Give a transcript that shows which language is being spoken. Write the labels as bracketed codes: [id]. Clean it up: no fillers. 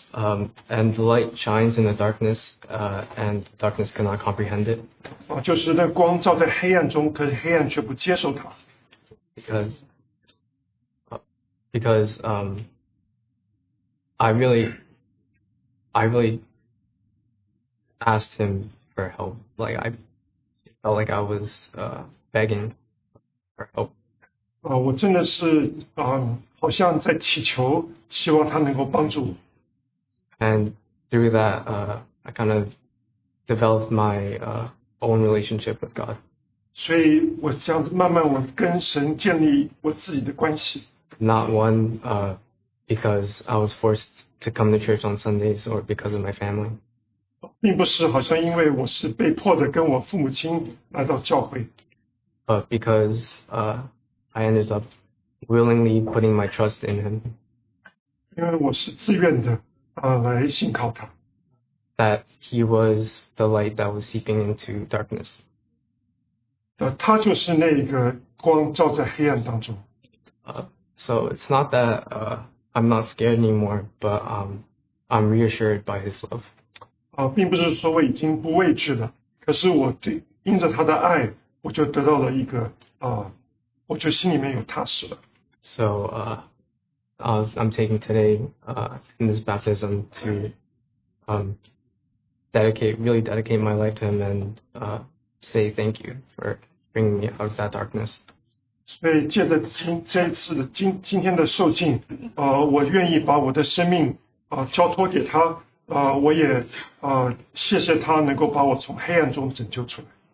[en] And the light shines in the darkness, and darkness cannot comprehend it. [zh] 就是那光照在黑暗中，可是黑暗却不接受它。 [en] Because I really asked him for help. Like I felt like I was begging for help. [zh] 我真的是好像在祈求，希望他能够帮助我。 [en] And through that, I kind of developed my own relationship with God. [zh] 所以我这样子慢慢我跟神建立我自己的关系。 [en] Not one because I was forced to come to church on Sundays or because of my family. [zh] 并不是好像因为我是被迫的跟我父母亲来到教会。 [en] But because I ended up willingly putting my trust in him. [zh] 因为我是自愿的来信靠他。 [en] That he was the light that was seeping into darkness. [zh] 他就是那个光照在黑暗当中。 [en] So it's not that I'm not scared anymore, but I'm reassured by his love. [zh] 并不是说我已经不畏惧了，可是我对因着他的爱，我就得到了一个我就心里面有踏实了。 [en] So I'm taking today in this baptism to dedicate my life to him and say thank you for bringing me out of that darkness. [zh] 所以借着今天的受浸，我愿意把我的生命交托给他，我也谢谢他能够把我从黑暗中拯救出来。